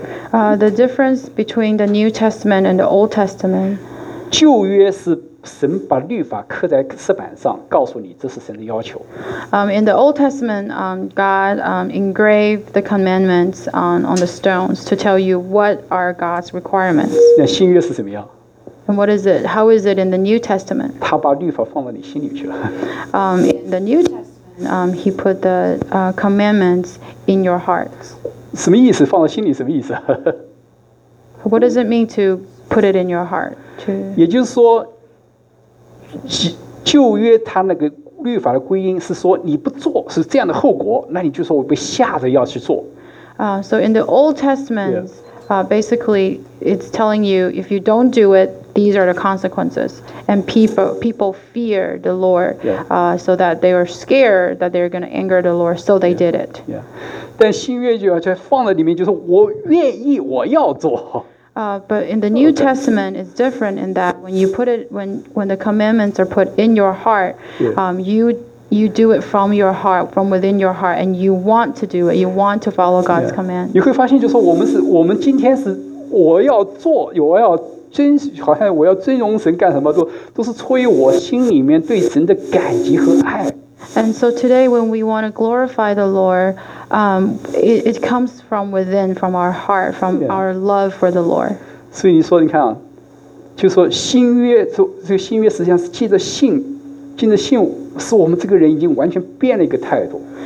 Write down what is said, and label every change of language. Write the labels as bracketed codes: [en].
[en] The difference between the New Testament and the Old Testament. [zh] 旧约是神把律法刻在石板上，告诉你这是神的要求。 [en] In the Old Testament, God engraved the commandments on the stones to tell you what are God's requirements. [zh] 那新约是怎么样？ [en] And what is it? How is it in the New Testament? [zh] 他把律法放到你心里去了。 [en] In the New Testament, He put the commandments in your hearts. [zh] 什么意思？放在心里什么意思 [en] ？What does it mean to put it in your heart? [zh] 也就是说，旧约他那个律法的归因是说你不做是这样的后果，那你就说我被吓着要去做。 [en] So in the Old Testament, basically it's telling you if you don't do it, these are the consequences. And people fear the Lord, so that they are scared that they're going to anger the Lord, so they did it. Yeah. [zh] 但新约就在放在里面，就是我愿意，我要做。 [en] But in the New Testament, it's different in that when you put it, when the commandments are put in your heart, you do it from your heart, from within your heart, and you want to do it. You want to follow God's command. [zh] 你会发现，就是我们今天是我要做，我要遵，好像我要尊荣神干什么，都是出于我心里面对神的感激和爱。 [en] And so today, when we want to glorify the Lord, it comes from within, from our heart, from our love for the Lord. [zh] 所以你说，你看啊，就说新约，这个新约实际上是借着信，借着信，使我们这个人已经完全变了一个态度。